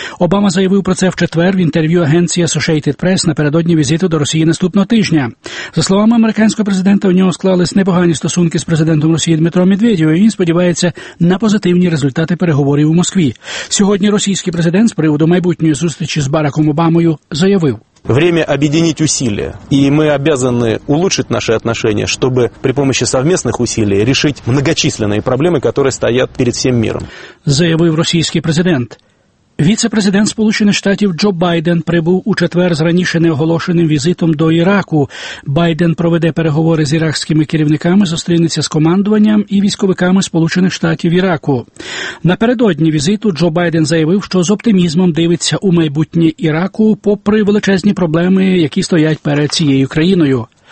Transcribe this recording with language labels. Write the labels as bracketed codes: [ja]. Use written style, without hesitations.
[uk] Обама заявив про це в четвер в інтерв'ю агенції Associated Press напередодні візиту до Росії наступного тижня. За словами американського президента, у нього склались непогані стосунки з президентом Росії Дмитром Медведєвим, і він сподівається на позитивні результати переговорів у Москві. Сьогодні російський президент з приводу майбутньої зустрічі з Бараком Обамою заявив: [ru] время объединить усилия, и мы обязаны улучшить наши отношения, чтобы при помощи совместных усилий решить многочисленные проблемы, которые стоят перед всем миром. [uk] Заявив російський президент. Віце-президент Сполучених Штатів Джо Байден прибув у четвер з раніше неоголошеним візитом до Іраку. Байден проведе переговори з іракськими керівниками, зустрінеться з командуванням і військовиками Сполучених Штатів Іраку. Напередодні візиту Джо Байден заявив, що з оптимізмом дивиться у майбутнє Іраку, попри величезні проблеми, які стоять перед цією країною.